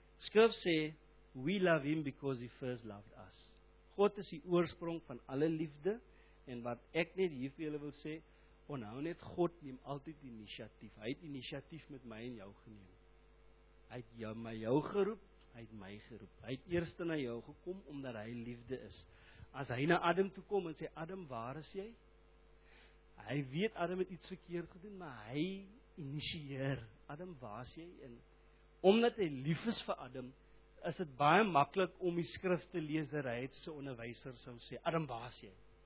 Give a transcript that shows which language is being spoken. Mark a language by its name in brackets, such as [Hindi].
[Afrikaans] Skrif sê, [English] we love him because he first loved us. [Afrikaans] God is die oorsprong van alle liefde, en wat ek net hier vir julle wil sê, onhou net, God neem altyd initiatief. Hy het initiatief met my en jou geneem. Hy het jou, my jou geroep, hy het my geroep. Hy het eerste na jou gekom, omdat hy liefde is. As hy na Adam toe kom en sê, Adam, waar is jy? Hy weet, Adam het iets verkeerd gedoen, maar hy initieer. Adam, waar is jy? En omdat hy lief is vir Adam, is het baie makkelijk om die skrif te lees, dat hy het sy onderwijser sou sê, Adam, waar is jy?